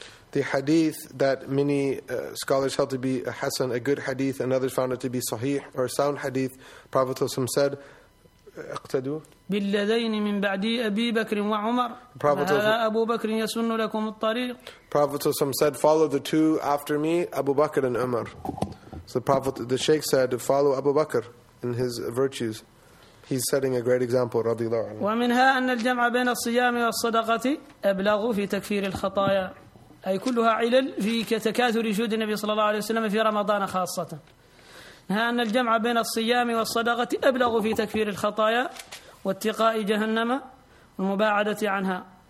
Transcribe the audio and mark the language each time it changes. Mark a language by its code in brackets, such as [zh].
[en] The hadith that many scholars held to be a hasan, a good hadith, and others found it to be sahih or sound hadith, Prophet ﷺ said, [ar] اقتدوا بالذين من بعدي أبي بكر وعمر هذا أبو بكر يسن لكم الطريق. [en] Prophet ﷺ said, follow the two after me, Abu Bakr and Umar. So the Shaykh said, follow Abu Bakr in his virtues. He's setting a great example, [ar] رضي الله عنه. ومنها أن الجمع بين الصيام والصدقة أبلغ في تكفير الخطايا. أي كلها علل في تكاثر جود النبي صلى الله عليه وسلم في رمضان خاصة. ها أن الجمع بين الصيام والصدقة أبلغ في تكفير الخطايا واتقاء جهنم والمباعدة عنها.